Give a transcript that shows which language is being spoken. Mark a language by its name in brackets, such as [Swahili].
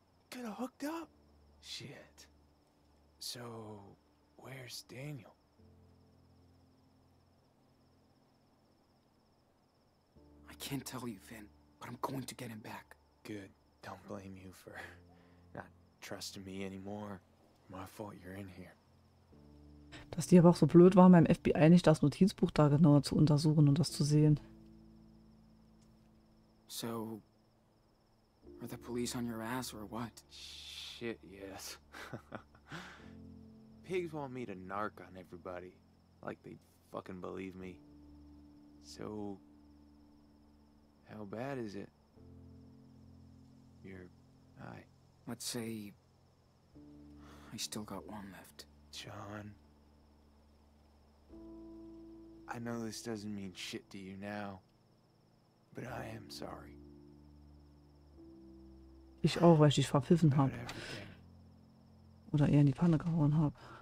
[English] Could have hooked up. Shit. So, where's Daniel? I can't tell you, Finn, but I'm going to get him back. Good. Don't blame you for not trusting me anymore. My fault you're in here. [German] Dass die aber auch so blöd waren, beim FBI nicht das Notizbuch da genauer zu untersuchen und das zu sehen. [English] So, are the police on your ass or what? Shit, yes. Pigs want me to narc on everybody, like they'd fucking believe me. So, how bad is it? Let's say, I still got one left. John, I know this doesn't mean shit to you now, but I am sorry. [German] Ich auch, weil ich dich verpfiffen hab. Oder eher in die Pfanne gehauen hab.